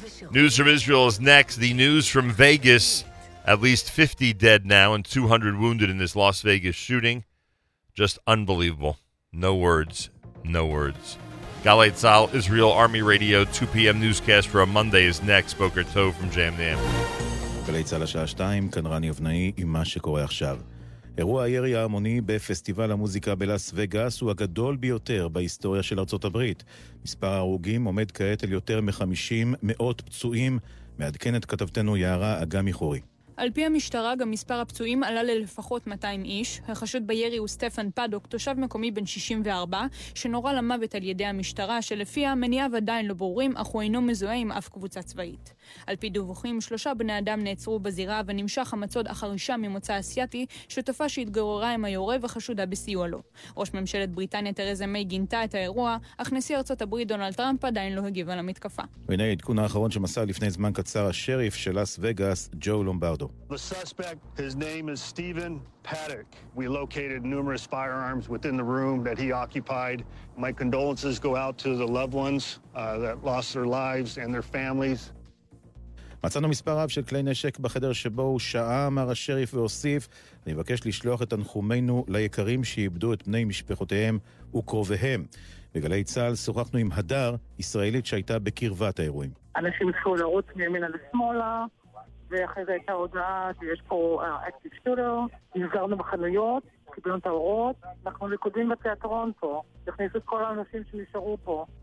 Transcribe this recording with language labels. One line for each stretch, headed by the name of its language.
English: News from Israel is next. The news from Vegas, at least 50 dead now and 200 wounded in this Las Vegas shooting. Just unbelievable. No words. Galei Tzal, Israel Army Radio, 2 p.m. newscast for a Monday is next.
Hebrew: Boker Tov
English: from JM in the AM.
Hebrew: Galei Tzal, השעה 2, כאן רני אבנאי עם מה שקורה עכשיו. אירוע הירי ההמוני בפסטיבל המוזיקה בלאס וגאס הוא הגדול ביותר בהיסטוריה של ארצות הברית. מספר ההרוגים עומד כעת על יותר מ-50 מאות פצועים, מעדכנת כתבתנו יערה אגמי חורי. על פי המשטרה, גם מספר הפצועים עלה ללפחות 200 איש. החשוד בירי הוא סטפן פדוק, תושב מקומי בן 64, שנורה למוות על ידי המשטרה, שלפיה מניעיו עדיין לא ברורים, אך הוא אינו מזוהה עם אף קבוצה צבאית. על פי דיווחים, שלושה בני אדם נעצרו בזירה, ונמשך המצוד אחר אישה ממוצא אסיאתי, שותפה שהתגוררה עם היורה וחשודה בסיוע לו. ראש ממשלת בריטניה תרזה מיי גינתה את האירוע, אך נשיא ארצות הברית דונלד טראמפ עדיין לא הגיב על המתקפה. והנה עדכון האחרון שמסר לפני זמן קצר השריף של לאס וגאס, ג'ו לומבר.
English: The suspect, his name is Stephen Paddock. We located numerous firearms within the room that he occupied. My condolences go out to the loved ones that lost their lives and their families.
Hebrew: מצאנו מספר רב של כלי נשק בחדר שבו הוא שעה, אמר השריף והוסיף. אני מבקש לשלוח את תנחומינו ליקרים שאיבדו את בני משפחותיהם וקרוביהם. בגלי צהל שוחחנו עם הדר, ישראלית שהייתה בקרבת האירועים. אנשים התחילו לרוץ מימינה לשמאלה. ואחרי זה הייתה הודעה שיש פה
English: אקטיב שטודו,
Hebrew: נסגרנו בחנויות, קיבלנו את האורות, אנחנו ליקודים בתיאטרון פה, הכניסו את כל האנשים שנשארו פה.